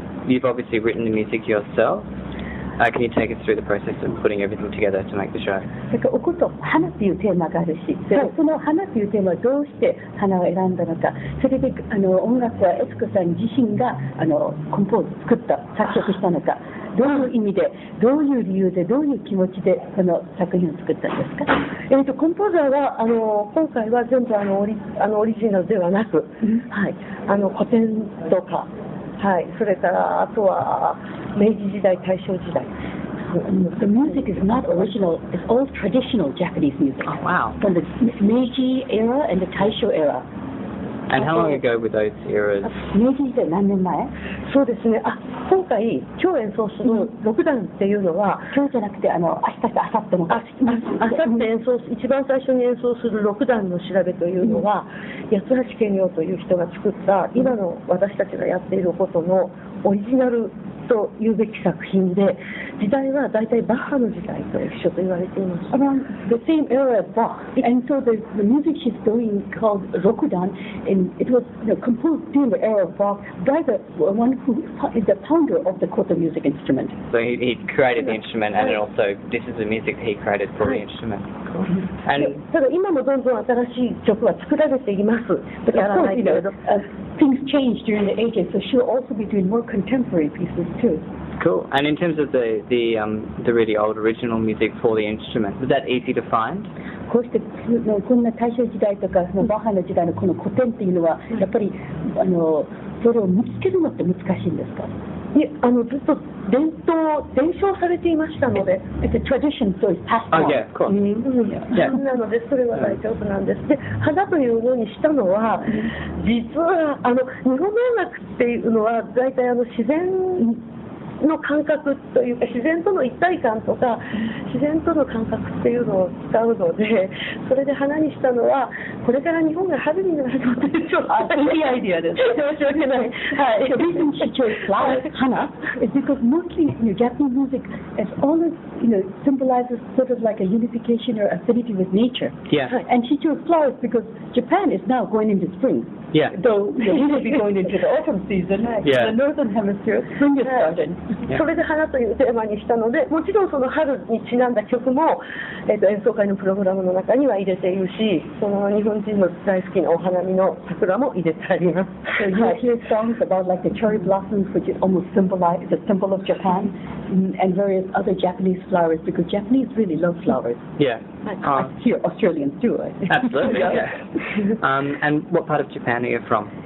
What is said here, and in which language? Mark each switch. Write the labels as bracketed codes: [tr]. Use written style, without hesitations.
[en] You've obviously written the music yourself. Can you take us through the process of putting everything together to make the show? [ja] だから、おこと、花というテーマがあるし、はい、その花というテーマはどうして花を選んだのか、それで音楽はエツコさん自身がコンポーズ、作った、作曲したのか、どういう意味で、どういう理由で、どういう気持ちでその作品を作ったんですか？コンポーザーは今回は全部オリジナルではなく、はい、古典とか、はい、それからあとは、明治時代、大正時代。 [en] The music is not original, it's all traditional Japanese music. Oh, wow. From the Meiji era and the Taisho era. And how long ago were those eras? [ja] 明治時代何年前？そうですね。あ、今回、今日演奏する6段っていうのは、今日じゃなくて、明日か明後日の。明後日演奏、一番最初に演奏する6段の調べというのは、八橋健陽という人が作った、今の私たちがやっていることのオリジナルというべき作品で、時代はだいたいバッハの時代と一緒と言われています。 [en] Around the same era of Bach, and so the music she's doing called Rokudan, and it was composed during the era of Bach by the one who is the founder of the Koto music instrument. So he created the instrument, and also this is the music he created for the instrument. And [ja] ただ今もどんどん新しい曲は作られています。 [en] But of course, things change during the ages, so she'll also be doing more contemporary pieces too. Cool. And in terms of the really old original music for the instrument, was that easy to find? [ja] こうしてこんな大正時代とかバッハの時代のこの古典っていうのはやっぱりそれを見つけるのって難しいんですか？いや、ずっと伝承されていましたので、 [en] It's a tradition, so it's passed on. Oh, yeah, of course. [ja] なので、それは大丈夫なんです。で、花というのにしたのは、実は日本音楽っていうのは、大体自然の感覚というか、自然との一体感とか、自然との感覚っていうのを使うので、それで花にしたのは、これから日本が春になるので、ちょっといいアイディアです。申し訳ない。はい。 [en] The reason she chose flowers, 花, is because mostly Japanese music is always, symbolizes sort of like a unification or affinity with nature. Yeah. And she chose flowers because Japan is now going into spring. Yeah. Though we will be going into the autumn season, yeah. The northern hemisphere, spring is starting. Yeah. [ja] それで花というテーマにしたので、もちろんその春にちなんだ曲も、演奏会のプログラムの中には入れているし、その日本人の大好きなお花見の桜も入れてあります。 [en] So you hear songs about like the cherry blossoms, which is almost symbolize the symbol of Japan, and various other Japanese flowers, because Japanese really love flowers. Yeah. Here, Australians too, I think. Absolutely, yeah. And what part of Japan are you from?